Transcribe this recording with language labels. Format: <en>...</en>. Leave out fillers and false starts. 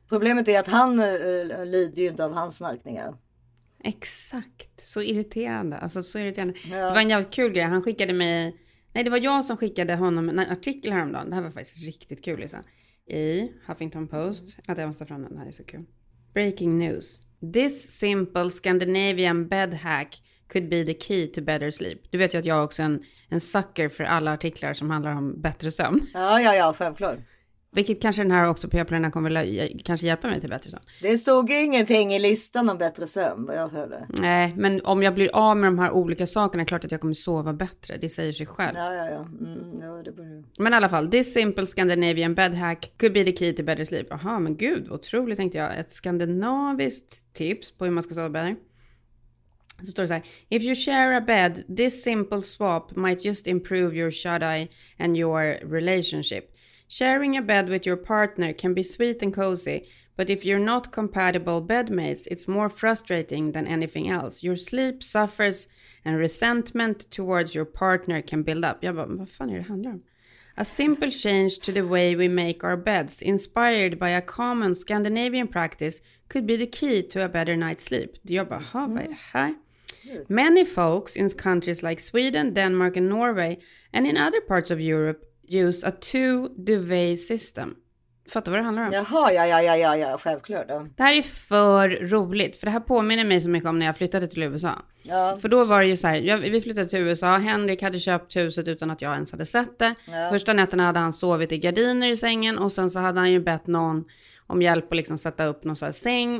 <sv>Problemet är att han lider ju inte av hans snarkningar. Exakt. Så irriterande. Alltså, så irriterande. Ja. Det var en jävligt kul grej. Han skickade mig... Nej, det var jag som skickade honom en artikel häromdagen. Det här var faktiskt riktigt kul, Lisa. I Huffington Post. Mm. Att jag måste ta fram den. Det här är så kul. Breaking news.</sv> <en>This simple Scandinavian bed hack could be the key to better sleep.</en> <sv>Du vet ju att jag också är en sucker för alla artiklar som handlar om bättre sömn. Ja, självklart. Vilket kanske den här också på planen kommer kanske hjälpa mig till bättre sömn. Det stod ju ingenting i listan om bättre sömn, vad jag hörde. Nej, men om jag blir av med de här olika sakerna är klart att jag kommer sova bättre. Det säger sig själv. Ja. Det borde... Men i alla fall,</sv> <en>this simple Scandinavian bed hack could be the key to better sleep.</en> <sv>Aha, men gud, vad otroligt tänkte jag. Ett skandinaviskt tips på hur man ska sova bättre. Så står det så här,</sv> <en>if you share a bed, this simple swap might just improve your shut-eye and your relationship. Sharing a bed with your partner can be sweet and cozy, but if you're not compatible bedmates, it's more frustrating than anything else. Your sleep suffers and resentment towards your partner can build up.</en> <sv>Jag bara, vad fan är det handlar om?</sv> <en>A simple change to the way we make our beds, inspired by a common Scandinavian practice, could be the key to a better night's sleep.</en> <sv>Jag bara, aha, vad är det här?</sv> <en>Many folks in countries like Sweden, Denmark and Norway, and in other parts of Europe, use a two duvet system.</en> <sv>Fattar vad det handlar om? Jaha, ja, självklart då. Det här är för roligt, för det här påminner mig så mycket om när jag flyttade till USA. Ja. För då var det ju så här, vi flyttade till USA, Henrik hade köpt huset utan att jag ens hade sett det. Ja. Första nätterna hade han sovit i gardiner i sängen och sen så hade han ju bett någon om hjälp att liksom sätta upp någon så här säng.</sv>